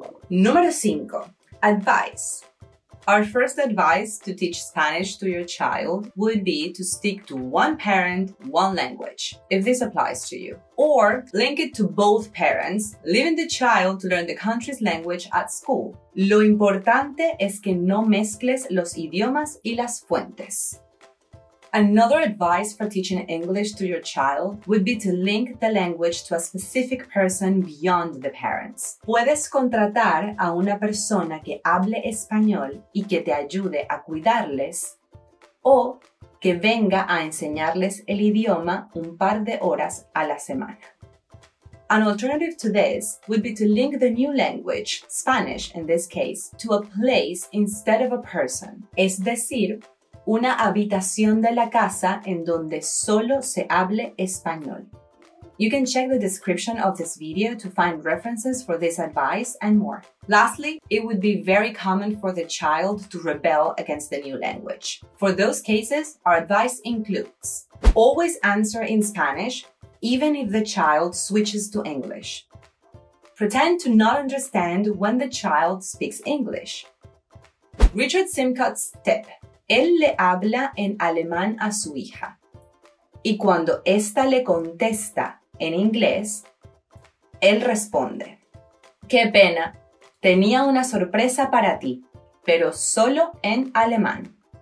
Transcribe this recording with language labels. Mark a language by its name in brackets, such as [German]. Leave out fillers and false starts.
[Spanish] Número 5. Advice. [English] Our first advice to teach Spanish to your child would be to stick to one parent, one language, if this applies to you. Or link it to both parents, leaving the child to learn the country's language at school. [Spanish] Lo importante es que no mezcles los idiomas y las fuentes. [English] Another advice for teaching English to your child would be to link the language to a specific person beyond the parents. [Spanish] Puedes contratar a una persona que hable español y que te ayude a cuidarles o que venga a enseñarles el idioma un par de horas a la semana. [English] An alternative to this would be to link the new language, Spanish in this case, to a place instead of a person, [Spanish] es decir, una habitación de la casa en donde solo se hable español. [English] You can check the description of this video to find references for this advice and more. Lastly, it would be very common for the child to rebel against the new language. For those cases, our advice includes always answer in Spanish, even if the child switches to English. Pretend to not understand when the child speaks English. Richard Simcott's tip. [Spanish] Él le habla en alemán a su hija. Y cuando esta le contesta en inglés, él responde: qué pena, tenía una sorpresa para ti, pero solo en alemán.